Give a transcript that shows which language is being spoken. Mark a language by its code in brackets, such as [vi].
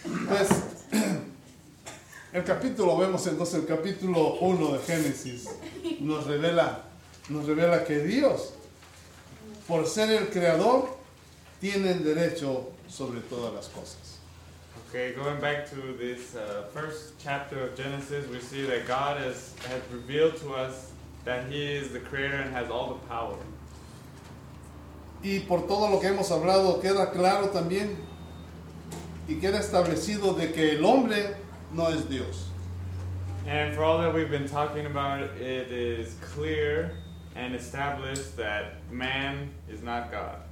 [es] Pues, el capítulo, vemos entonces el capítulo 1 de Génesis, nos revela que Dios, por ser el creador, tiene el derecho sobre todas las cosas. [en] Okay, going back to this first chapter of Genesis, we see that God has revealed to us that He is the creator and has all the power. [es] Y por todo lo que hemos hablado, queda claro también y queda establecido de que el hombre no es Dios. [en] And for all that we've been talking about, it is clear and established that man is not God.